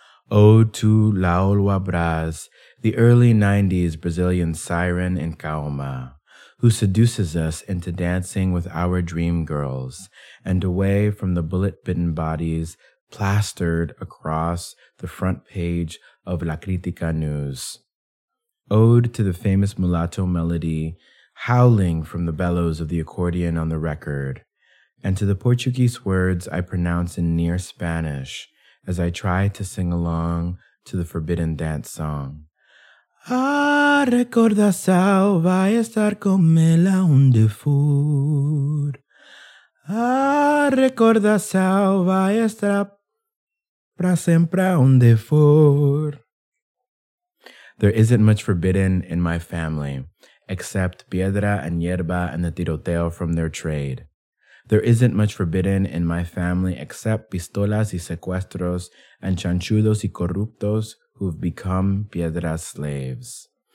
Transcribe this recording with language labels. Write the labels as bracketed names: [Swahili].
[English] Ode to La Olwa Braz, the early 90s Brazilian siren in Caoma, who seduces us into dancing with our dream girls and away from the bullet-bitten bodies plastered across the front page of La Critica News. Ode to the famous mulatto melody howling from the bellows of the accordion on the record, and to the Portuguese words I pronounce in near Spanish as I try to sing along to the forbidden dance song. [Portuguese] A recordação vai estar com ela onde for. A recordação vai estar pra sempre onde for. [English] There isn't much forbidden in my family, except piedra and yerba and the tiroteo from their trade. There isn't much forbidden in my family except [Spanish] pistolas y secuestros [English] and [Spanish] chanchudos y corruptos [English] who've become piedras slaves.